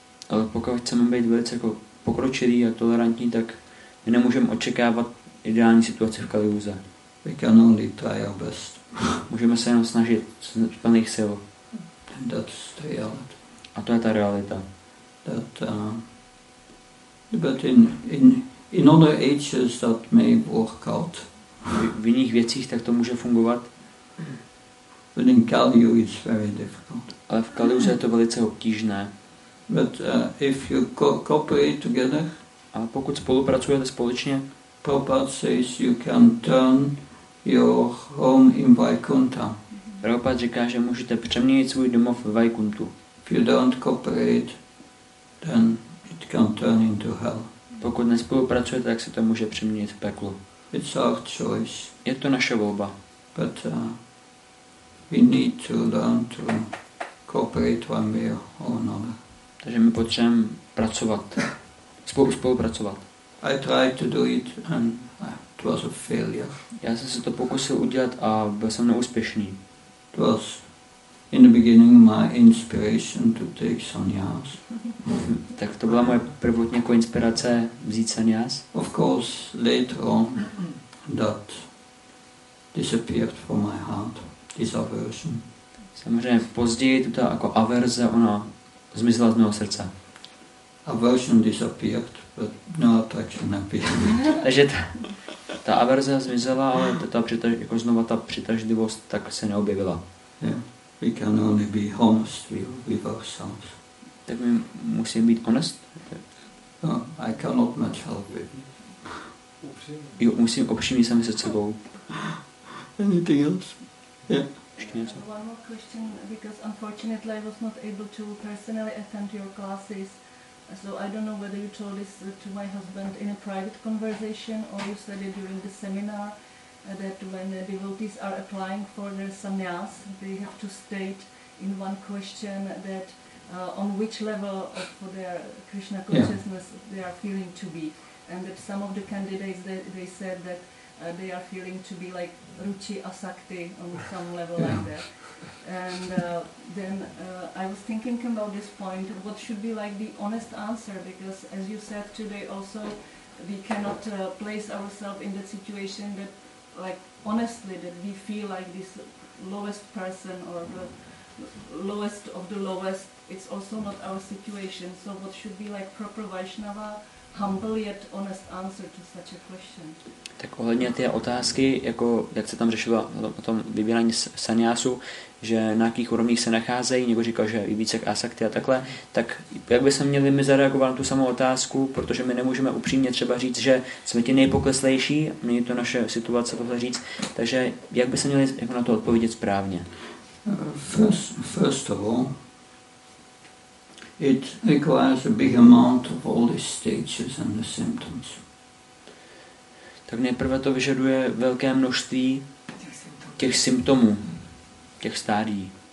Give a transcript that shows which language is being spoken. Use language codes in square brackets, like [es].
[cs] Ale pokud chceme být velice jako pokročilí a tolerantní, tak my nemůžeme očekávat ideální situace v Kali Yuze. [en] We can only try our best. [cs] Můžeme se jenom snažit z plných sil. [en] And that's the reality. [cs] A to je ta realita. [en] That, but in other ages that may work out. [cs] V jiných věcích tak to může fungovat. [en] But in Kali Yuga it's very difficult. [cs] Ale v Kali Yuze je to velice obtížné. [en] But if you cooperate together. [cs] A pokud spolupracujete společně. [en] Prabhupada says you can turn your home in Vaikuntha. [cs] Prabhupada říká, že můžete přeměnit svůj domov v Vaikuntu. [en] If you don't cooperate, then it can turn into hell. [cs] Pokud nespolupracujete, tak se to může přeměnit v peklo. [en] It's our choice. [cs] Je to naše volba. [en] But we need to learn to cooperate one way or another. [cs] Takže my potřebujeme pracovat, spolupracovat. [en] I tried to do it and it was a failure. [cs] Já jsem se to pokusil udělat a byl jsem neúspěšný. [en] It was in the beginning my inspiration to take sannyas. [cs] Tak to byla moje prvotní jako inspirace vzít sannyas. [en] Of course, later on that disappeared from my heart, this aversion. [cs] Samozřejmě později tuto jako averze, ona zmizela z mého srdce. [en] Aversion disappeared, but no attraction appeared. [cs] Takže ta averze zmizela, ale znova ta přitažlivost tak se neobjevila. [en] Yeah. We can only be honest with ourselves. [cs] Tak my musíme být honest [en] I cannot much help it. [cs] Jo, musím obšimnit sami se sebou. [en] Anything else? Yeah. One more question, because unfortunately I was not able to personally attend your classes, so I don't know whether you told this to my husband in a private conversation or you said it during the seminar, that when the devotees are applying for their sannyas, they have to state in one question that on which level of their Krishna consciousness they are feeling to be. And that some of the candidates, they said that they are feeling to be like Ruchi Asakti on some level like that. And then I was thinking about this point, what should be like the honest answer, because as you said today also, we cannot place ourselves in that situation that, like, honestly, that we feel like this lowest person or the lowest of the lowest, it's also not our situation. So what should be like proper Vaishnava, humble yet honest answer to such a question? [cs] Tak ohledně té otázky, jako jak se tam řešilo o tom vybírání sannyasu, že na jakých úrovních se nacházejí, někdo říkal, že i více jak asakti a takhle, tak jak by se měli my zareagovat na tu samou otázku, protože my nemůžeme upřímně třeba říct, že jsme ti nejpokleslejší, není to naše situace tohle říct, takže jak by se měli jako na to odpovědět správně? [en] First of all, it requires a big amount of all these stages and the symptoms. [cs] Tak nejprve to vyžaduje velké množství těch symptomů, těch stádí.